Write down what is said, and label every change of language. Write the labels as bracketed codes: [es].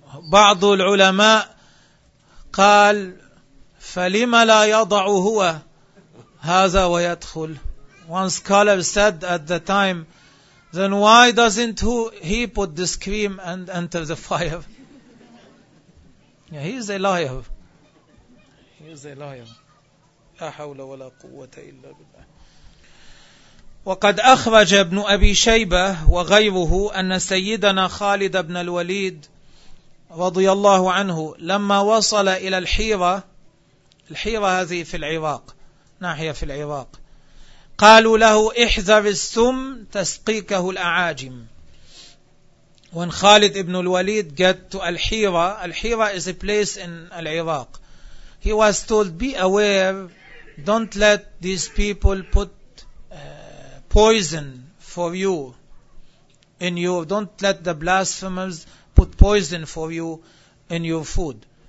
[ar] بعض العلماء قال فلما لا يضع هو هذا ويدخل. [en] One scholar said at the time, then why doesn't he put this cream and enter the fire? Yeah, he is a liar. [ar] لا حول ولا قوة إلا بالله. وقد أخرج ابن أبي شيبة وغيره أن سيدنا خالد بن الوليد رضي الله عنه لما وصل إلى الحيرة هذه في العراق, ناحية في العراق, قالوا له احذر السم تسقيكه الأعاجم. [en] When Khalid ibn al-Walid got to Al-Hira, Al-Hira is a place in Al-Iraq. He was told, be aware, don't let these people put poison for you in your, don't let the blasphemers put poison for you in your food.